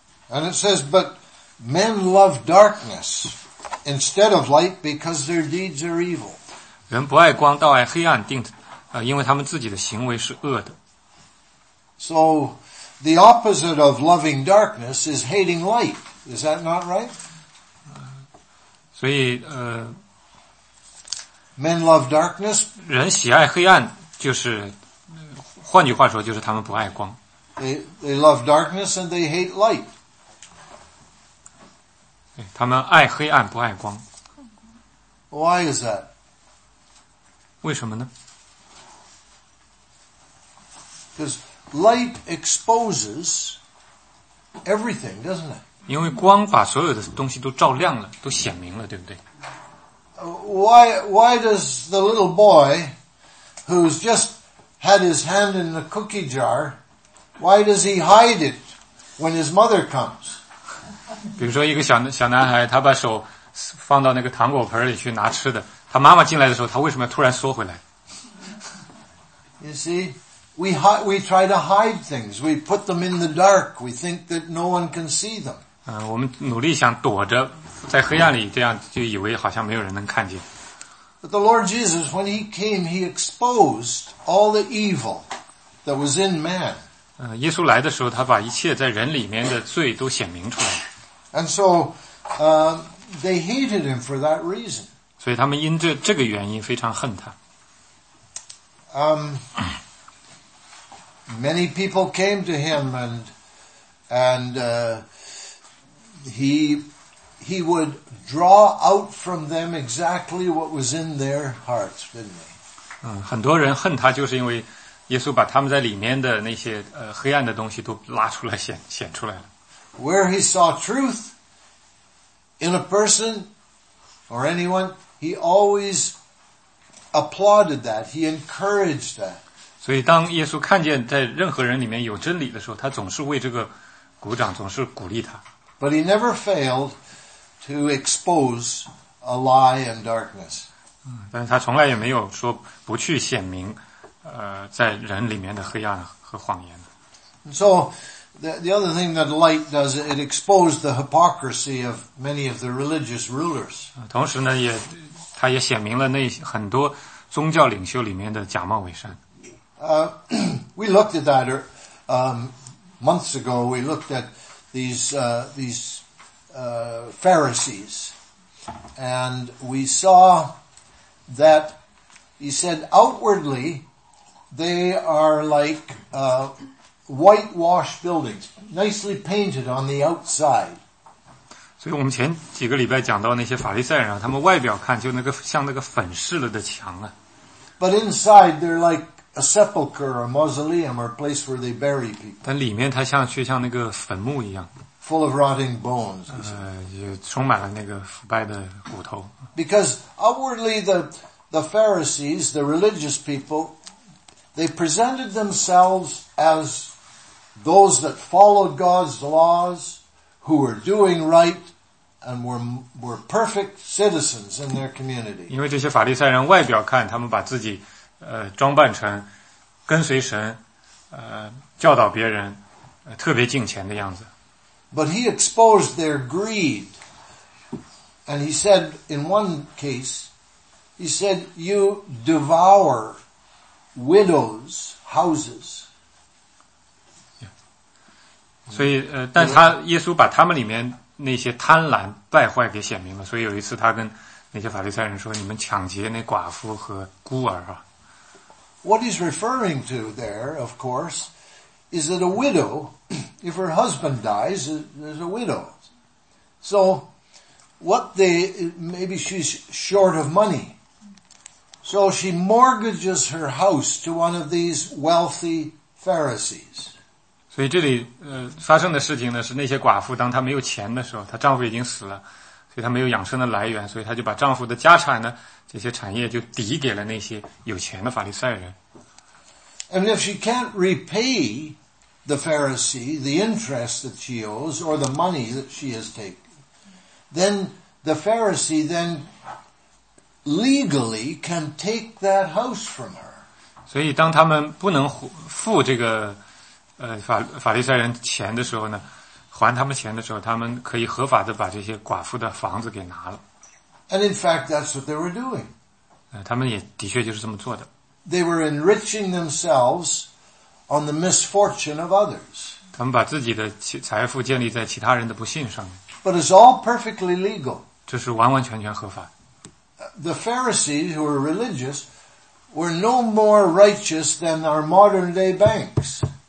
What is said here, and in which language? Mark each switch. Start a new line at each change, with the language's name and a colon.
English: And it says, but men love darkness instead of light because their deeds are evil.
Chinese: 人不爱光，倒爱黑暗，因为他们自己的行为是恶的。
English: So,The opposite of loving darkness is hating light. Is that not right?
Chinese: 所以
English: Men love darkness.
Chinese: 人喜爱黑暗就是换句话说就是他们不爱光。
English: They love darkness and they hate light.
Chinese: 对，他们爱黑暗不爱光。
English: Why is that?
Chinese: 为什么呢？
English: Because light exposes everything, doesn't it?
Chinese: 因为光把所有的东西都照亮了，都显明了，对不对？
English: Why does the little boy who's just had his hand in the cookie jar, why does he hide it when his mother comes?
Chinese: 比如说一个 小男孩他把手放到那个糖果盆里去拿吃的，他妈妈进来的时候他为什么突然缩回来？
English: You see, we try to hide things. We put them in the dark. We think that no one can see them.
Chinese: 我们努力想躲着在黑暗里，这样就以为好像没有人能看见。
English: But the Lord Jesus, when he came, he exposed all the evil that was in man.
Chinese: 耶稣来的时候他把一切在人里面的罪都显明出来。
English: And so, they hated him for that reason.
Chinese: 所以他们因这个原因非常恨他。
English: Many people came to him and he would draw out from them exactly what was in their hearts, didn't he?
Chinese: 很多人恨他就是因为耶稣把他们在里面的那些黑暗的东西都拉出来显出来了。
English: Where he saw truth in a person or anyone, he always applauded that, he encouraged that.
Chinese: 所以当耶稣看见在任何人里面有真理的时候，他总是为这个鼓掌，总是鼓励他。
English: But he never failed to expose a lie and darkness.
Chinese: 但是他从来也没有说不去显明在人里面的黑暗和谎言。
English: So, the other thing that light does, it exposed the hypocrisy of many of the religious rulers.
Chinese: 同时呢，他也显明了那很多宗教领袖里面的假冒伪善。
English: We looked at that months ago. We looked at these Pharisees, and we saw that he said outwardly they are like whitewashed buildings, nicely painted on the outside.
Chinese: 所以我们前几个礼拜讲到那些法利赛人，他们外表看就那个像那个粉饰了的墙啊。
English: But inside they're like a sepulcher, a mausoleum, or a place where they bury people.
Chinese: 但里面它像却像那个坟墓一样。
English: Full of rotting bones.
Chinese: 也充满了那个腐败的骨头。
English: Because outwardly the Pharisees, the religious people, they presented themselves as those that followed God's laws, who were doing right, and were perfect citizens in their community.
Chinese: 因为这些法利赛人外表看，他们把自己装扮成跟随神，教导别人，特别敬虔的样子。
English: But he exposed their greed. And he said, in one case, he said, you devour widows' houses. Yeah.
Chinese: 所以但他耶稣把他们里面那些贪婪败坏给显明了。所以有一次他跟那些法利赛人说，你们抢劫那寡妇和孤儿啊。
English: What he's referring to there, of course, is that a widow, if her husband dies, there's a widow. So, maybe she's short of money. So she mortgages her house to one of these wealthy Pharisees.
Chinese: 所以这里发生的事情呢，是那些寡妇当她没有钱的时候，她丈夫已经死了，所以她没有养生的来源，所以她就把丈夫的家产呢，这些产业就抵给了那些有钱的法利赛人。
English: And if she can't repay the Pharisee, the interest that she owes, or the money that she has taken, then the Pharisee then legally can take that house from her.
Chinese: 所以当他们不能付这个法利赛人钱的时候呢，还他们钱的时候，他们可以合法的把这些寡妇的房子给拿了。
English: And in fact, that's what they were doing.
Chinese: 他们也的确就是这么做的。
English: They were enriching themselves on the misfortune of others.
Chinese: 他们把自己的财富建立在其他人的不幸上面。
English: But it's all perfectly legal.
Chinese: 这是完完全全合法。
English: The Pharisees, who were religious, were no more righteous than our modern day banks.